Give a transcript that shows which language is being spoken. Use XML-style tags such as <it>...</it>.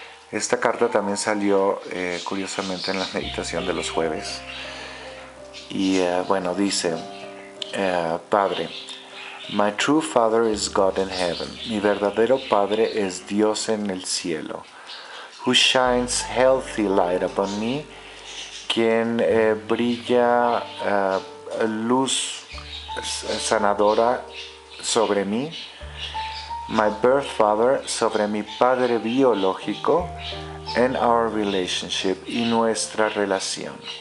<es>Esta carta también salió, curiosamente, en la meditación de los jueves. Y bueno, dice, Padre,</es> <en>My true Father is God in heaven.</en> <es>Mi verdadero Padre es Dios en el cielo.</es> <en>Who shines healthy light upon me.</en> <es>Quien brilla luz sanadora sobre mí,</es> <en>my birth father,</en> <es>sobre mi padre biológico,</es> <en>and our relationship,</en> <es>y nuestra relación.</es>